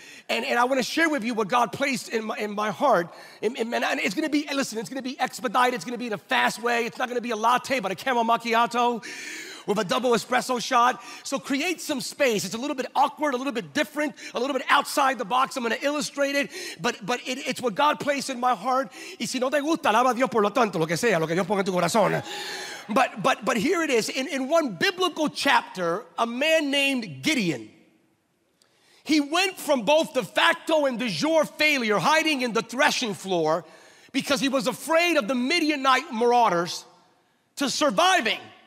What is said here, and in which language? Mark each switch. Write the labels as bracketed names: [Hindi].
[English] And I want to share with you what God placed in my heart. And it's going to be, listen, it's going to be expedited. It's going to be in a fast way. It's not going to be a latte, but a caramel macchiato with a double espresso shot. So create some space. It's a little bit awkward, a little bit different, a little bit outside the box. I'm going to illustrate it. But it's what God placed in my heart. [Spanish] Y si no te gusta, alaba a Dios por lo tanto, lo que sea, lo que Dios ponga en tu corazón. [English] But here it is. In one biblical chapter, a man named Gideon, he went from both de facto and de jure failure, hiding in the threshing floor because he was afraid of the Midianite marauders, to surviving.